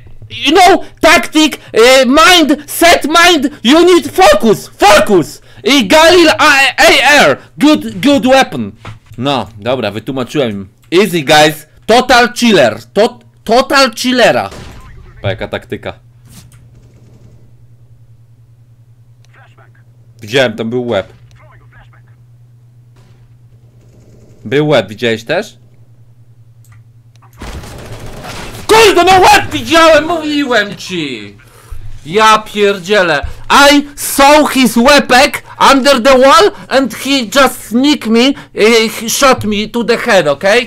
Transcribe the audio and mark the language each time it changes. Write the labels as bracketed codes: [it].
[en] you know, tactic, mind, set mind, you need focus, focus! I Galil AR, good weapon. [pl] No, dobra, wytłumaczyłem im. [en] Easy, guys, total chiller, total chillera. [pl] Pa, jaka taktyka. Widziałem, tam był łeb. Był łeb, widziałeś też? Kurde, no łeb widziałem, mówiłem ci! Ja pierdzielę. [en] I saw his łepek under the wall and he just sneaked me, he shot me to the head, okay?